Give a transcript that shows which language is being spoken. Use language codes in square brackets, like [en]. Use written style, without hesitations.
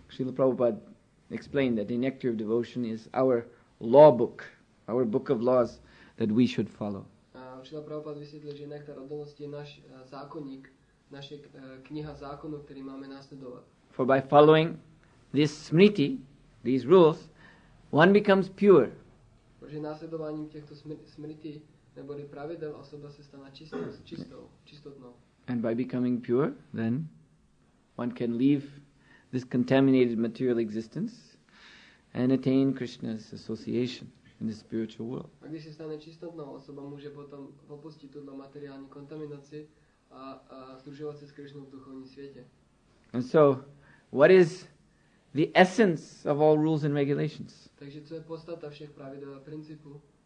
[en] Srila Prabhupada explained that the nectar of devotion is our law book, our book of laws that we should follow. [cs] Srila Prabhupada vysvětlil, že nektar hodnosti je náš zákonník, naše kniha zákonů, který máme následovat. [en] For by following this smriti, these rules, one becomes pure. [cs] Protože následováním těchto smriti neboli pravidel osoba se stane čistotnou. [en] And by becoming pure, then one can leave this contaminated material existence and attain Krishna's association in the spiritual world. [cs] A když se stane čistotnou, osoba může potom opustit tuto materiální kontaminaci a združovat se s Krishnou v duchovním světě. [en] And so, what is the essence of all rules and regulations? [cs] Takže co je podstata všech pravidel a principů?